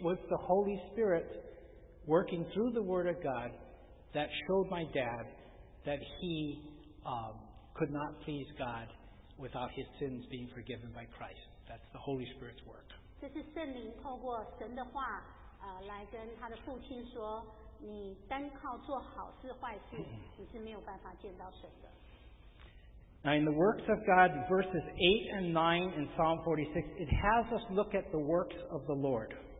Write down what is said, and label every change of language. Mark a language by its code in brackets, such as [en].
[en] was the Holy Spirit working through the Word of God that showed my dad that he could not please God without his sins being forgiven by Christ. That's the Holy Spirit's work. [zh] 这是圣灵透过神的话来跟他的父亲说，你单靠做好事坏事，你是没有办法见到神的。 [en] Now, in the works of God, verses 8 and 9 in Psalm 46, it has us look at the works of the Lord.